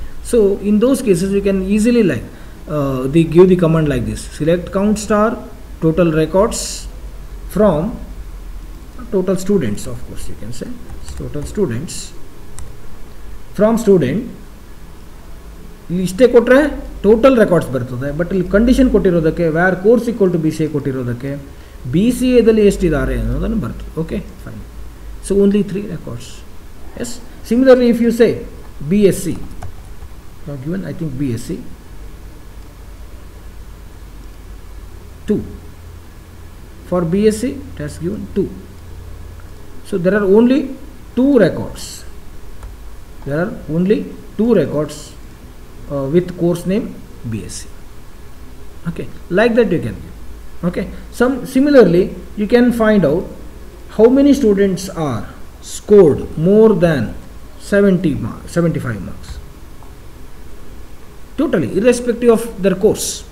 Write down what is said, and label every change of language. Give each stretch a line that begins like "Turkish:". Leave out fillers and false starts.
English: So in those cases we can easily like give the command like this: select count star total records from total students, of course you can say total students from student.
Kannada: ಇಷ್ಟೇ ಕೊಟ್ಟರೆ total records ಬರ್ತದೆ, but ಇಲ್ಲಿ condition ಕೊಟ್ಟಿರೋದಕ್ಕೆ
English: where course equal to B C A
Kannada: ಕೊಟ್ಟಿರೋದಕ್ಕೆ B C ಎದಲ್ಲಿ ಎಷ್ಟಿದ್ದಾರೆ ಅನ್ನೋದನ್ನು ಬರ್ತದೆ.
English: Okay fine, so only 3 records. Yes, similarly if you say B S C, given I think B S C 2, for B S C it has given 2. So there are only 2 records, there are only 2 records with course name BSc. Okay, like that you can give. Okay, similarly you can find out how many students are scored more than 75 marks totally irrespective of their course.